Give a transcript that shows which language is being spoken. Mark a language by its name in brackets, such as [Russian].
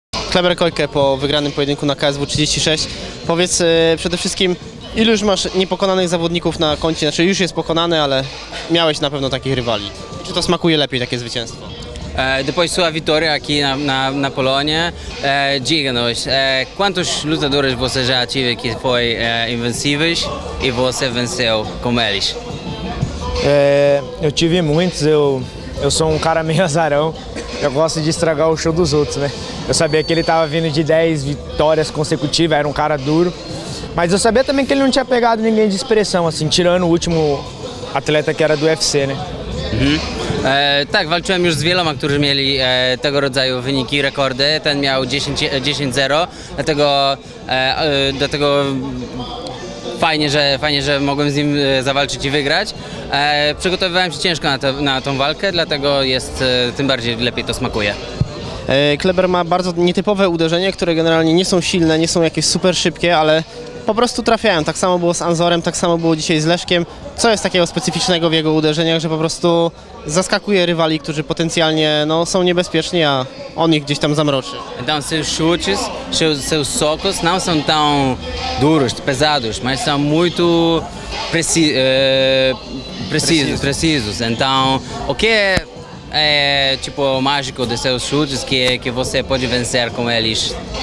[Polish] Kleber Kojke po wygranym pojedynku na KSW 36. Powiedz przede wszystkim, ilu już masz niepokonanych zawodników na koncie? Znaczy już jest pokonany, ale miałeś na pewno takich rywali. Czy to smakuje lepiej, takie zwycięstwo? [Portuguese] Depois sua vitória aqui na Polônia, diga-nos, quantos lutadores você já tive que foi invencíveis e você venceu com eles? Eu tive muitos, eu sou um cara meio azarão, eu gosto de estragar o show dos outros, né? Eu sabia que ele estava vindo de 10 vitórias consecutivas, era um cara duro, mas eu sabia também que ele não tinha pegado ninguém de expressão, assim, tirando o último atleta que era do UFC, né? Mhm. [Polish] Tak, walczyłem już z wieloma, którzy mieli tego rodzaju wyniki, rekordy. Ten miał 10-0, dlatego fajnie, że mogłem z nim zawalczyć i wygrać. Przygotowywałem się ciężko na tą walkę, dlatego jest tym bardziej lepiej to smakuje. Kleber ma bardzo nietypowe uderzenie, które generalnie nie są silne, nie są jakieś super szybkie, ale po prostu trafiają. Tak samo było z Anzorem, tak samo było dzisiaj z Leszkiem. Co jest takiego specyficznego w jego uderzeniach, że po prostu zaskakuje rywali, którzy potencjalnie no, są niebezpieczni, a on ich gdzieś tam zamroczy? [Portuguese] Então, seus chutes, seus socos não são tão duros, pesados, mas são muito precisos. Então, o que é tipo o mágico de seus chutes que você pode vencer com eles?